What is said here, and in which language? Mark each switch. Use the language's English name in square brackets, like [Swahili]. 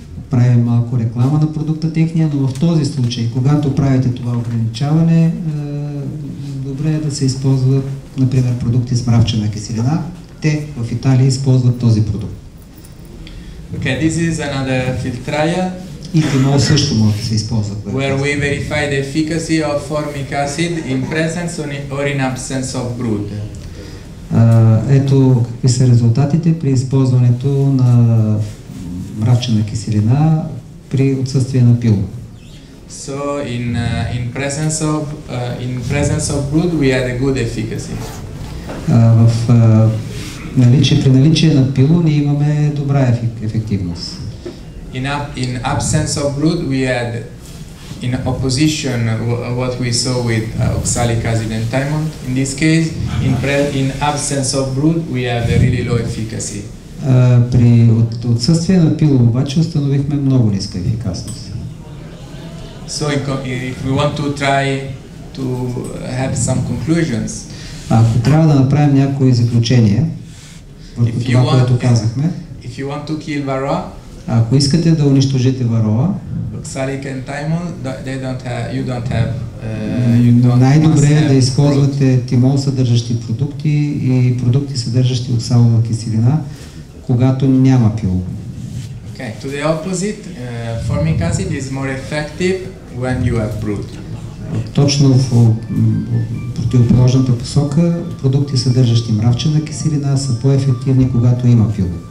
[Bulgarian] Правим малко реклама на продукта техния, но в този случай, когато правите това ограничаване, добре е да се използва, например, продукти с мравчена киселина. Те в Италия използват този продукт. [English] Okay, this is another filtraia. [Bulgarian] И тимол също може да се използва. [English] Where we verify the efficacy of formic acid in presence or in absence of brood. [Bulgarian] Ето какви са резултатите при използването на мравчена киселина при отсъствие на пил. [English] So in presence of brood we had a good efficacy. [Bulgarian] При наличие на пило ние имаме добра ефективност. [English] In absence of brood we had in opposition what we saw with oxalic acid and thymol. In this case in absence of brood we have a really low efficacy. [Bulgarian] При отсъствие на пило обаче установихме много ниска ефикасност. [English] So if we want to try to have some conclusions. [Bulgarian] Ако трябва да направим някои заключения върху това, което казахме. [English] If you want to kill varroa, [Bulgarian] ако искате да унищожите варроа, [English] oxalic and thymol, they don't have, you don't have, [Bulgarian] най-добре е да използвате тимол съдържащи продукти и продукти съдържащи оксалова киселина, когато няма пило. [English] Okay, to the opposite, formic acid is more effective when you have brood. [Bulgarian] Точно в противоположната посока, продукти съдържащи мравчена киселина са по-ефективни, когато има пило.